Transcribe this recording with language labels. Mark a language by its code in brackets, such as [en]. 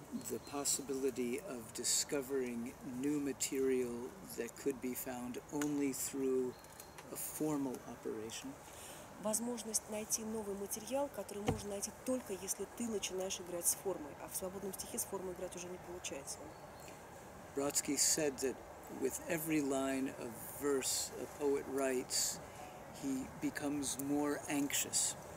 [en] The possibility of discovering new material that could be found only through a formal operation. [ru] Возможность найти новый материал, который можно найти только если ты начинаешь играть с формой, а в свободном стихе с формой играть уже не получается. [en] Бродский said that with every line of verse a poet writes, he becomes more anxious.